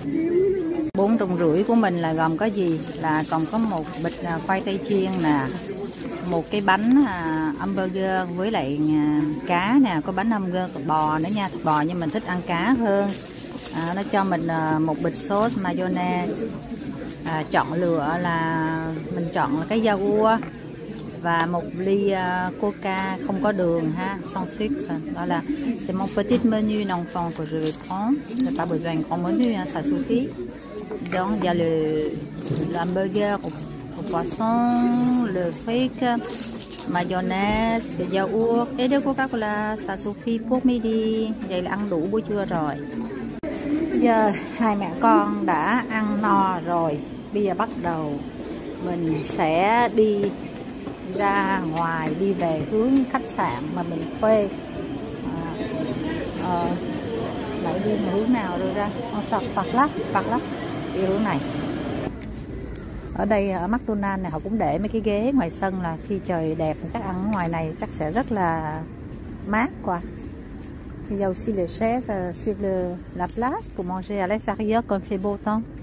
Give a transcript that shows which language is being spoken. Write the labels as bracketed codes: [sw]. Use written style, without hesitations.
[vi] 4,5 đồng của mình là gồm có gì? Là còn có một bịch khoai tây chiên nè, một cái bánh hamburger với lại cá nè, có bánh hamburger bò nữa nha, bò nhưng mình thích ăn cá hơn. Nó cho mình một bịch sốt mayonnaise, chọn lựa là mình chọn là cái da cua, và một ly coca không có đường ha, [fr] sans sucre. [vi] Đó là [fr] c'est mon petit menu d'enfant que je vais prendre, j'ai pas besoin de grand menu, ça suffit. Donc il y a le hamburger au poisson, le fric, mayonnaise, yaourt et de coca-cola, ça suffit pour midi. [vi] Vậy là ăn đủ buổi trưa rồi. Giờ hai mẹ con đã ăn no rồi, bây giờ bắt đầu mình sẽ đi ra ngoài, đi về hướng khách sạn mà mình thuê. Lại đi một hướng nào rồi ra con sọc bạc lắc đi hướng này. Ở đây ở McDonald's này họ cũng để mấy cái ghế ngoài sân, là khi trời đẹp chắc ăn ngoài này chắc sẽ rất là mát quá. [fr] Il y a aussi les chaises sur la place pour manger à l'extérieur quand il fait beau temps.